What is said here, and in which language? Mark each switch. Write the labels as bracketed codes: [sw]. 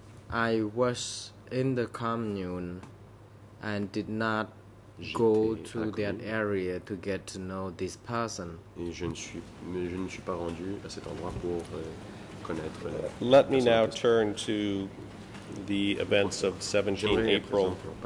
[en] I was in the commune and did not go to that area to get to know this person. [fr] Et je ne suis pas rendu à cet endroit pour connaître. [en] Let me now turn to the events of 17 April